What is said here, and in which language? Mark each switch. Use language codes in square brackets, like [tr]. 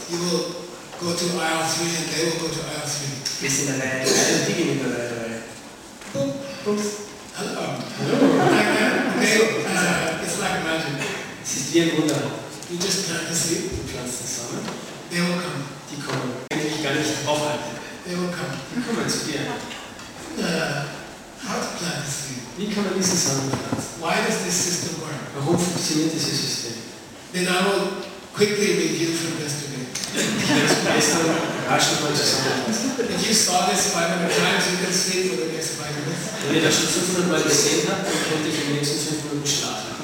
[en] You will go to aisle 3 and they will go to aisle 3. [de] Wir sind in der Reihe 3. Die gehen in der Reihe 3. Hallo. Hallo. [en] It's like magic. [de] Es ist wie ein Wunder. [en] You just plant the seed. [de] Du pflanzt die Samen. [en] They will come. [de] Die kommen. Eigentlich gar nicht aufhalten. [en] They will come. [de] Die kommen zu dir. [en] How to plant the seed? [de] Wie kann man diese Samen pflanzen? [en] Why does this system work? [de] Warum funktioniert dieses System? [en] Then I will quickly review from yesterday. If you saw this 500 times, you can sleep for the next 5 minutes. [de] Wenn ihr das schon 500 Mal gesehen habt, dann könnt ihr die nächsten 5 Minuten schlafen.